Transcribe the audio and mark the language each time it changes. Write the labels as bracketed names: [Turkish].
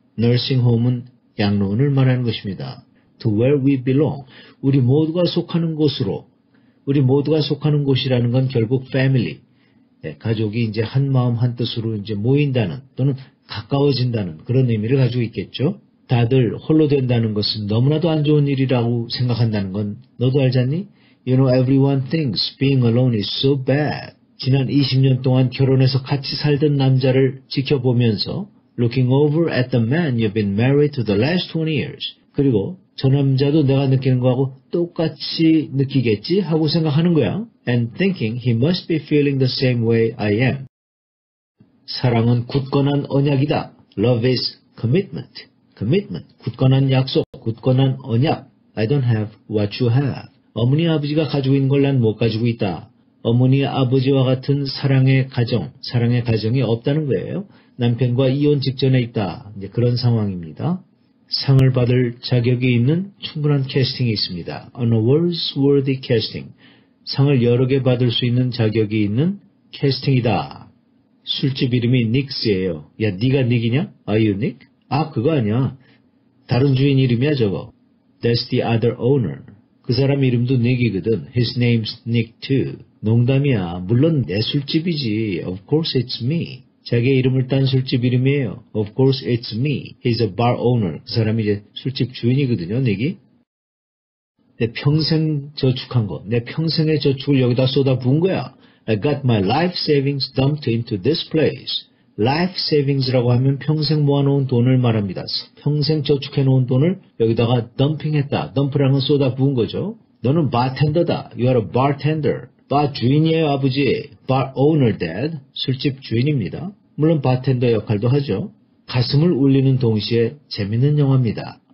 [Korean] Nursing home은 양로원을 말하는 것입니다. [English] To where we belong. [Korean] 우리 모두가 속하는 곳으로. 우리 모두가 속하는 곳이라는 건 결국 family. 네, 가족이 이제 한 마음 한 뜻으로 이제 모인다는 또는 가까워진다는 그런 의미를 가지고 있겠죠. 다들 홀로 된다는 것은 너무나도 안 좋은 일이라고 생각한다는 건 너도 알잖니? [English] You know everyone thinks being alone is so bad. [Korean] 지난 20년 동안 결혼해서 같이 살던 남자를 지켜보면서 [English] looking over at the man you've been married to the last 20 years. [Korean] 그리고 저 남자도 내가 느끼는 거하고 똑같이 느끼겠지 하고 생각하는 거야. [English] And thinking he must be feeling the same way I am. [Korean] 사랑은 굳건한 언약이다. [English] Love is commitment. Commitment. [Korean] 굳건한 약속. 굳건한 언약. [English] I don't have what you have. [Korean] 어머니 아버지가 가지고 있는 걸 난 못 가지고 있다. 어머니 아버지와 같은 사랑의 가정. 사랑의 가정이 없다는 거예요. 남편과 이혼 직전에 있다. 이제 그런 상황입니다. 상을 받을 자격이 있는 충분한 캐스팅이 있습니다. [English] An awards worthy casting. [Korean] 상을 여러 개 받을 수 있는 자격이 있는 캐스팅이다. 술집 이름이 닉스예요. 야, 네가 닉이냐? [English] Are you Nick? [Korean] 아, 그거 아니야. 다른 주인 이름이야, 저거. [English] That's the other owner. [Korean] 그 사람 이름도 닉이거든. [English] His name's Nick too. [Korean] 농담이야. 물론 내 술집이지. [English] Of course it's me. [Korean] 자기 이름을 딴 술집 이름이에요. [English] Of course it's me. He's a bar owner. [Korean] 그 사람이 이제 술집 주인이거든요, 닉이. 내 평생 저축한 거. 내 평생의 저축을 여기다 쏟아 부은 거야. [English] I got my life savings dumped into this place. [Korean] Life savings라고 하면 평생 모아놓은 돈을 말합니다. 평생 저축해놓은 돈을 여기다가 덤핑했다. 덤프라는 쏟아 부은 거죠. 너는 바텐더다. [English] You are a bartender. [Korean] 바 주인이에요, 아버지. [English] Bar owner, dad. [Korean] 술집 주인입니다. 물론 바텐더 역할도 하죠. 가슴을 울리는 동시에 재밌는 영화입니다.